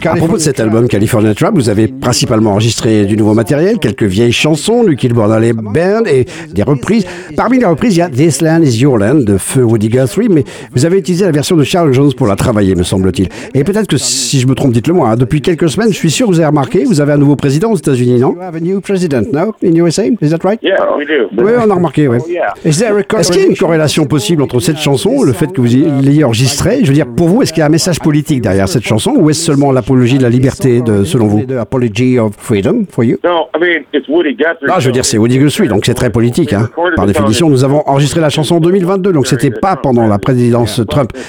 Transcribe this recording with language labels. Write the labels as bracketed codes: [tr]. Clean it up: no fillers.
[fr] à propos de cet album California Trap, vous avez principalement enregistré du nouveau matériel, quelques vieilles chansons du Kill Bordale Band et des reprises. Parmi les reprises, il y a This Land Is Your Land de Feu Woody Guthrie, mais vous avez utilisé la version de Charles Jones pour la travailler, me semble-t-il. Et peut-être que si je me trompe, dites-le-moi. Hein, depuis quelques semaines, je suis sûr que vous avez remarqué, vous avez un nouveau président aux États-Unis, non? [en] You have a new president now in USA, is that right? Yeah, we do. [fr] Oui, on a remarqué, oui. [en] Is there [fr] a est-ce qu'il y a une corrélation possible entre cette chanson et le fait que vous l'ayez enregistrée? Je veux dire, pour vous, est-ce qu'il y a un message politique derrière cette chanson, ou est-ce seulement l'apologie de la liberté, de, selon vous? [en] Apology of freedom for you? No, I mean it's Woody Guthrie. [fr] Ah, je veux dire, c'est Woody Guthrie, donc c'est très politique, hein. Par définition, nous avons enregistré la chanson en 2022, donc c'était pas pendant la présidence Trump.